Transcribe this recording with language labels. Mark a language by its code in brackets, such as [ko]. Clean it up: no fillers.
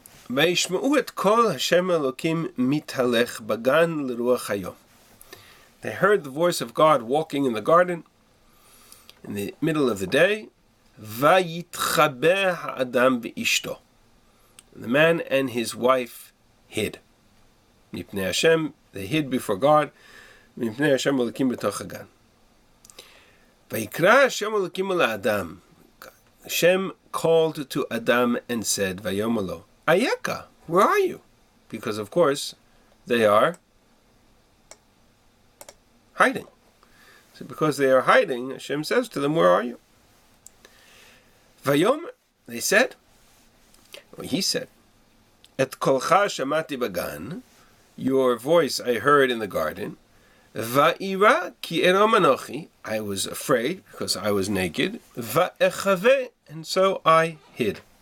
[he] וישמעו את כל השם אלוקים מתהלך בגן לרוח היום. [en] They heard the voice of God walking in the garden in the middle of the day. [he] ויתחבא האדם ואשתו. [en] The man and his wife hid. [he] מפני השם, [en] they hid before God. [he] מפני השם אלוקים בתוך הגן. ויקרא השם אלוקים אל האדם. [en] השם called to Adam and said, [he] ויאמר לו, Ayeka, [en] where are you? Because, of course, they are hiding. So because they are hiding, Hashem says to them, where are you? [he] Vayom, [en] they said, or he said, [he] Et kolcha shamati bagan, [en] your voice I heard in the garden, [he] Va'ira ki erom anochi, [en] I was afraid because I was naked, [he] Va'echave, [en] and so I hid.